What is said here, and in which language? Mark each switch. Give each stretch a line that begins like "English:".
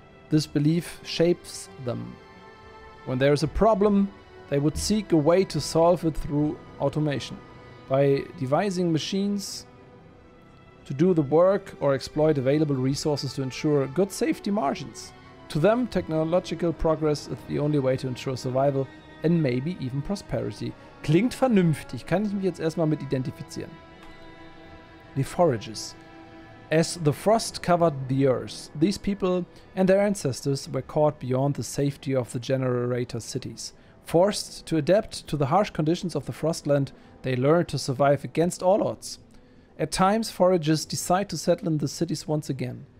English: This belief shapes them. When there is a problem, they would seek a way to solve it through automation, by devising machines to do the work or exploit available resources to ensure good safety margins. To them, technological progress is the only way to ensure survival and maybe even prosperity.
German: Klingt vernünftig, kann ich mich jetzt erstmal mit identifizieren.
English: The Foragers. As the frost covered the earth, these people and their ancestors were caught beyond the safety of the generator cities. Forced to adapt to the harsh conditions of the frostland, they learned to survive against all odds. At times, foragers decide to settle in the cities once again.